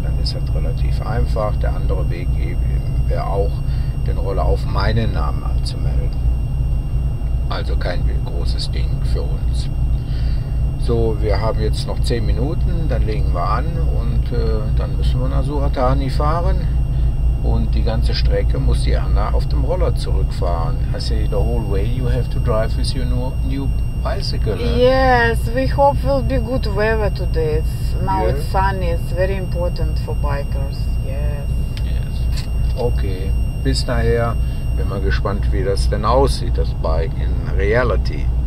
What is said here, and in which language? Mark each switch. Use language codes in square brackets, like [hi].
[de] Dann ist das relativ einfach. Der andere Weg wäre auch, den Roller auf meinen Namen anzumelden. Also kein großes Ding für uns. So, wir haben jetzt noch 10 Minuten, dann legen wir an und dann müssen wir nach Surat Thani fahren. Und die ganze Strecke muss die Anna auf dem Roller zurückfahren. [en] I say the whole way you have to drive with your new bicycle. Yes, we hope will be good weather today. It's now yeah. It's sunny. It's very important for bikers. Yes. [de] Okay. Bis nachher. Bin mal gespannt, wie das denn aussieht, das Bike in Reality.